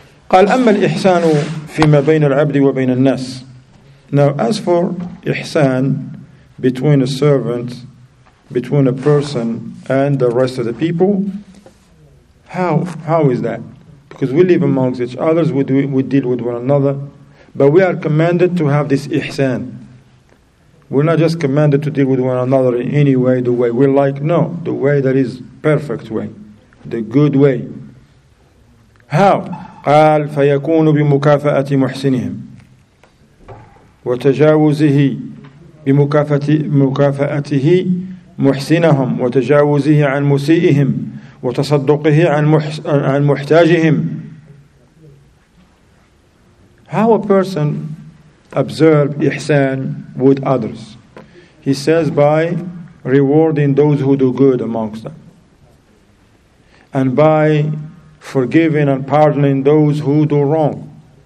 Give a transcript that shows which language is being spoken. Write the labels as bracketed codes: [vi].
[ar] قال أما الإحسان فيما بين العبد وبين الناس. [en] Now as for ihsan between a servant, between a person and the rest of the people, how is that? Because we live amongst each other, we deal with one another, but we are commanded to have this ihsan. We're not just commanded to deal with one another in any way, the way we like. No, the way that is perfect way, the good way. How? [ar] قال فيكون بمكافأة محسنهم وتجاوزه بمكافأته محسنهم وتجاوزه عن مسيئهم وتصدقه عن محتاجهم. [en] How a person observes ihsan with others. He says by rewarding those who do good amongst them. And by forgiving and pardoning those who do wrong.